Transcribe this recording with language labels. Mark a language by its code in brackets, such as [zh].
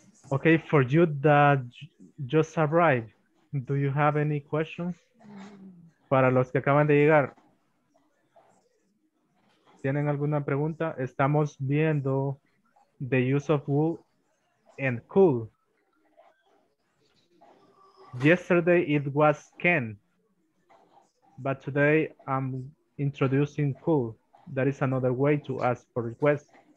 [en] Ok, for you that just arrived, do you have any questions? [es] Para los que acaban de llegar, ¿tienen alguna pregunta? Estamos viendo [en] the use of would and could. Yesterday it was can, but today I'm introducing could. That is another way to ask for requests.